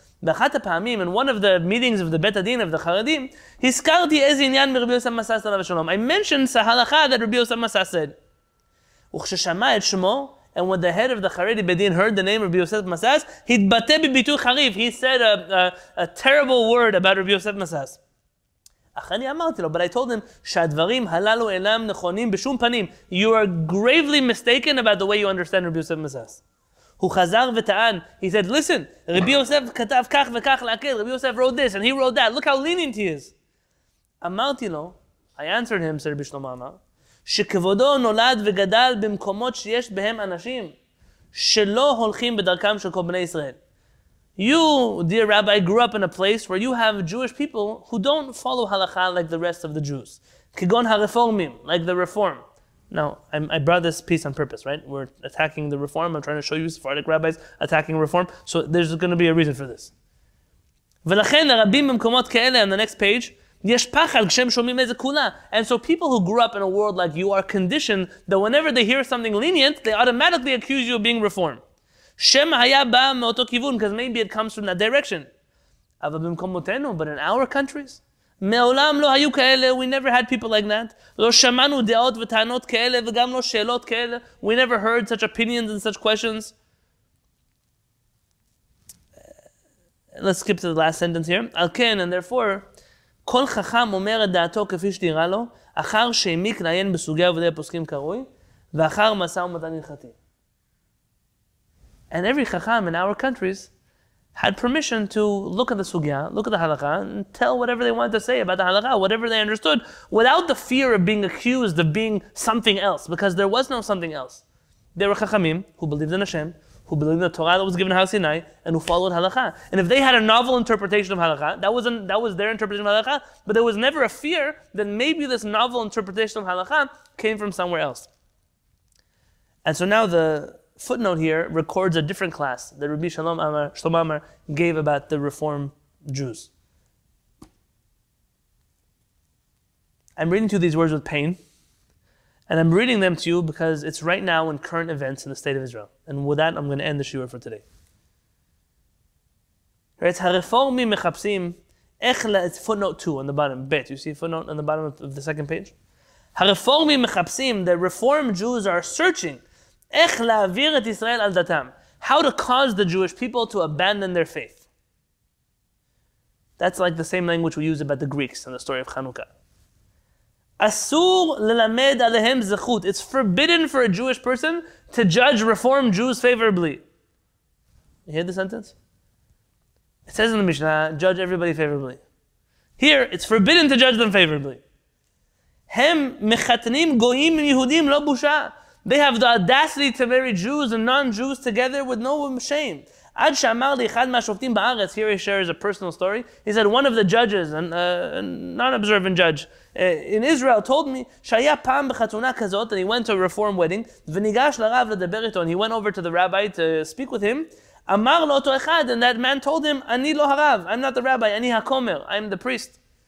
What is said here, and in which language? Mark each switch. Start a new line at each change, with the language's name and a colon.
Hebrew: באחת הפעמים,
English: in one of the meetings of the Bet Adin of the Charedim,
Hebrew: הזכרתי איזה עניין מרבי יוסף מסס עליו השלום.
English: I mentioned ההלכה that רבי יוסף מסס said.
Hebrew: וכששמע את שמו,
English: and when the head of the Charedi Bedin heard the name of Rabbi Yosef Masas,
Hebrew: התבטא בביטוי חריף.
English: He said a terrible word about Rabbi Yosef Masas.
Hebrew: אך אני אמרתי לו,
English: but I told him,
Hebrew: שהדברים הללו אינם נכונים בשום פנים.
English: You are gravely mistaken about the way you understand Rabbi Yosef Masas. הוא חזר וטען, he said, listen, Rabbi Yosef
Hebrew: כתב כך וכך להקל,
English: Rabbi Yosef wrote this and he wrote that, look how lenient he is.
Hebrew: אמרתי לו,
English: I answered him, said Rabbi Shlomo Amar,
Hebrew: שכבודו נולד וגדל במקומות שיש בהם אנשים שלא הולכים בדרכם של כל בני ישראל.
English: You, dear rabbi, grew up in a place where you have Jewish people who don't follow halakha like the rest of the Jews.
Hebrew: Kigon ha-reformim,
English: like the reform. Now, I brought this piece on purpose, right? We're attacking the reform. I'm trying to show you Sephardic rabbis attacking reform. So there's going to be a reason for this.
Hebrew: ולכן הרבים במקומות כאלה,
English: on the next page,
Hebrew: יש פחד כשהם שומעים איזה קולה.
English: And so people who grew up in a world like you are conditioned that whenever they hear something lenient, they automatically accuse you of being reformed.
Hebrew: שם היה בא מאותו כיוון,
English: because maybe it comes from that direction.
Hebrew: אבל במקומותינו,
English: but in our countries,
Hebrew: מעולם לא היו כאלה,
English: we never had people like that.
Hebrew: לא שמענו דעות וטענות כאלה, וגם לא שאלות כאלה.
English: We never heard such opinions and such questions. Let's skip to the last sentence here.
Hebrew: על כן,
English: and therefore,
Hebrew: כל חכם אומר את דעתו כפי שנראה לו, אחר שהעמיק לעיין בסוגי עבודי הפוסקים כראוי, ואחר מסע ומתן הלכתי.
English: And every chacham in our countries had permission to look at the sugya, look at the halakha, and tell whatever they wanted to say about the halakha, whatever they understood, without the fear of being accused of being something else, because there was no something else. There were chachamim who believed in Hashem, who believed in the Torah that was given to Har Sinai, and who followed halakha. And if they had a novel interpretation of halakha, that was their interpretation of halakha, but there was never a fear that maybe this novel interpretation of halakha came from somewhere else. And so now the footnote here records a different class that Rabbi Shlomo Amar gave about the Reform Jews. I'm reading to you these words with pain, and I'm reading them to you because it's right now in current events in the state of Israel. And with that, I'm going to end the shiur for today. It's
Hebrew: Hareformi Mechapsim Echla,
English: it's footnote 2 on the bottom, bet. You see a footnote on the bottom of the second page?
Hebrew: Hareformi Mechapsim,
English: the Reform Jews are searching.
Hebrew: איך להעביר את ישראל על דתם?
English: How to cause the Jewish people to abandon their faith. That's like the same language we use about the Greeks in the story of Chanukah.
Hebrew: אסור ללמד עליהם זכות.
English: It's forbidden for a Jewish person to judge Reform Jews favorably. You hear the sentence? It says in the Mishnah, judge everybody favorably. Here, it's forbidden to judge them favorably.
Hebrew: הם מחתנים גויים יהודים לא בושה.
English: They have the audacity to marry Jews and non-Jews together with no shame.
Hebrew: עד שאמר לי אחד מהשופטים בארץ,
English: here he shares a personal story, he said one of the judges, a non-observant judge, in Israel told me,
Hebrew: שהיה פעם בחתונה כזאת,
English: and he went to a reform wedding,
Hebrew: וניגש לרב לדבר איתו,
English: and he went over to the rabbi to speak with him,
Hebrew: אמר לו אותו אחד,
English: and that man told him,
Hebrew: אני לא הרב,
English: I'm not the rabbi,
Hebrew: אני הכומר,
English: I'm the priest.